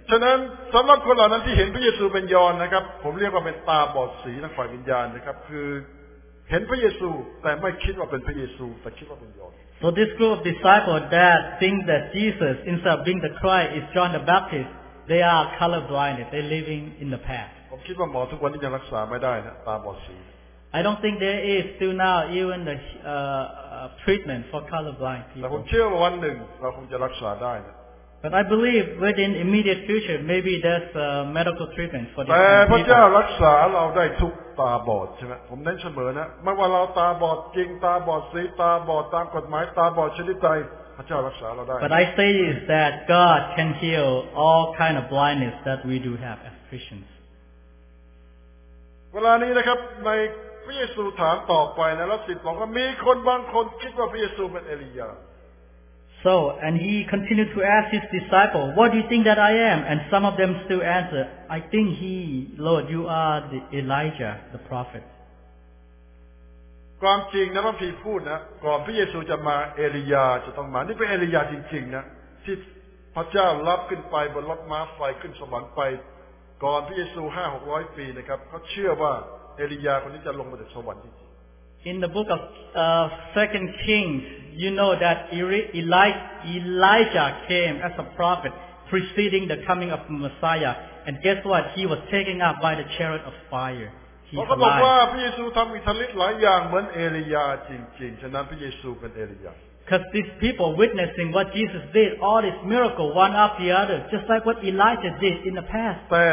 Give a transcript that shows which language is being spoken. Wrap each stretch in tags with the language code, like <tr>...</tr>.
<th>ฉะนั้นสำหรับคนเหล่านั้นที่เห็นพระเยซูเป็นยอนนะครับผมเรียกว่าเป็นตาบอดสีทางฝ่ายวิญญาณนะครับคือเห็นพระเยซูแต่ไม่คิดว่าเป็นพระเยซูแต่คิดว่าเป็นยอห์น</th> <en>So this group of disciples that think that Jesus instead of being the Christ is John the Baptist they are color blind they living in the past</en> <th>ผมคิดว่าหมอทุกวันนี้ยังรักษาไม่ได้นะตาบอดสี</th> <en>I don't think there is still now even the treatment for color blind people</en> <th>แต่ผมเชื่อว่าวันหนึ่งเราคงจะรักษาได้นะ</th> <en>But I believe within immediate future maybe there's a medical treatment for this</en> <th>แต่พระเจ้ารักษาเราได้ทุกตาบอดใช่ไหมผมเน้นเสมอนะไม่ว่าเราตาบอดจริงตาบอดสีตาบอดตามกฎหมายตาบอดชนิดใดพระเจ้ารักษาเราได้</th> <en>But I say is that God can heal all kind of blindness that we do have as Christians</en> <th>เวลานี้นะครับในพระเยซูถามต่อไปนะแล้วศิษย์บอกว่ามีคนบางคนคิดว่าพระเยซูเป็นเอลียา</th> <en>So and he continued to ask his disciples what do you think that I am and some of them still answer I think he Lord you are the Elijah the prophet</en> <th>ความจริงนะพระคัมภีร์พูดนะก่อนพระเยซูจะมาเอลียาจะต้องมานี่เป็นเอลียาจริงๆนะที่พระเจ้ารับขึ้นไปบนรถม้าไฟขึ้นสวรรค์ไปก่อนพระเยซู 5-600 ปีนะครับเขาเชื่อว่าเอลียาคนนี้จะลงมาจากสวรรค์</th> <en>In the book of 2 Kings, you know that Elijah came as a prophet preceding the coming of Messiah. And guess what? He was taken up by the chariot of fire. Because these people witnessing what Jesus did, all these miracles, one after the other, just like what Elijah did in the past.</en>